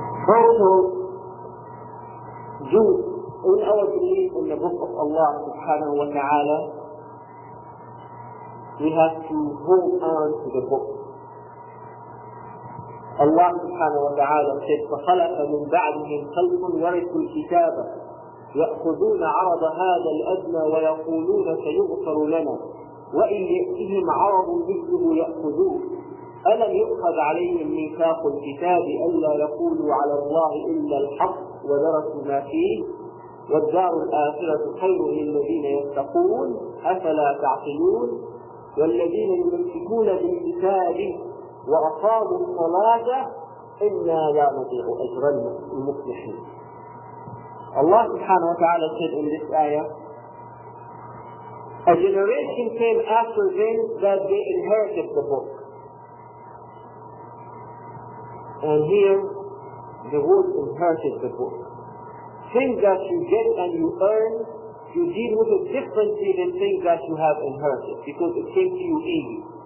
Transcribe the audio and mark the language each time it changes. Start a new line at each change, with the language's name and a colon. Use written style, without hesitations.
English: Also, Jews, in our belief in the book of Allah subhanahu wa ta'ala, we have to hold on to the book. Allah subhanahu wa ta'ala said,
Arabic: فَخَلَقَ مِنْ بَعْدِهِمْ خَلْقٌ وَرِثُوا الْكِتَابَ يَأْخُذُونَ عَرَضَ هَذَا الْأَدْنَى وَيَقُولُونَ سَيُغْفَرُ لَنَا وَإِنْ يَأْتِهِمْ عَرَضٌ مِثْلُهُ يَأْخُذُوهُ ألم يؤخذ عليهم ميثاق الكتاب ألا يقولوا على الله إلا الحق ودرسوا ما فيه والدار الآخرة خير للذين يتقون أفلا تعقلون والذين يمسكون بالكتاب وأقاموا الصلاة إنا لا نضيع أجر المصلحين. الله سبحانه وتعالى
English: said in this ayah, a generation came after them that they inherited the book. And here, the word inherited the book. Things that you get and you earn, you deal with it differently than things that you have inherited, because it came to you easy.